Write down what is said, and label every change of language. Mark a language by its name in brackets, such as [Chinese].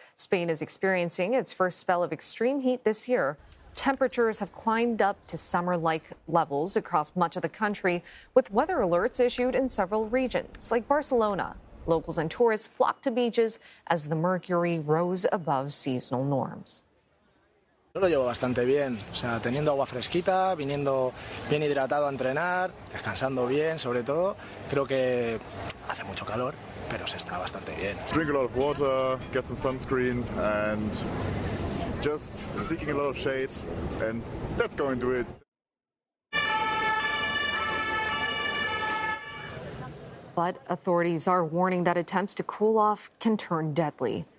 [English] Spain is experiencing its first spell of extreme heat this year. Temperatures have climbed up to summer-like levels across much of the country, with weather alerts issued in several regions, like Barcelona. Locals and tourists flocked to beaches as the mercury rose above seasonal norms. [Spanish] Yo lo llevo bastante bien, o sea, teniendo agua fresquita, viniendo bien hidratado a entrenar, descansando bien, sobre todo. Creo que hace mucho calor, pero se está bastante bien. [English] Drink a lot of water, get some sunscreen, and just seeking a lot of shade, and that's going to it. But authorities are warning that attempts to cool off can turn deadly.